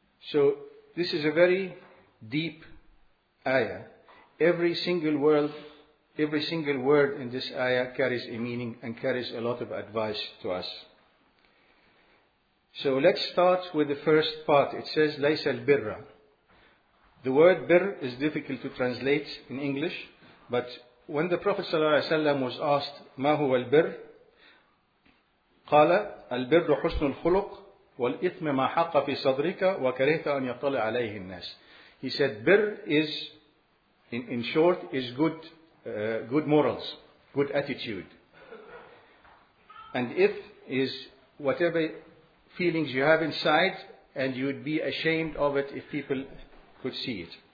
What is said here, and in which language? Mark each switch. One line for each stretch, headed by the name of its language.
English: So this is a very deep ayah. Every single word in this ayah carries a meaning and carries a lot of advice to us. So let's start with the first part. It says,
Arabic: Laysa al-birra.
English: The word birr is difficult to translate in English, but when the Prophet ﷺ was asked,
Arabic: مَا هُوَ الْبِرُّ؟ قَالَ الْبِرُّ حُسْنُ الْخُلُقِ وَالْإِثْمِ مَا حَقَّ فِي صَدْرِكَ وَكَرِهْتَ أَنْ يَطَلِعَ عَلَيْهِ النَّاسِ.
English: He said, birr is, in short, is good morals, good attitude. And ith is whatever feelings you have inside, and you would be ashamed of it if people could see it.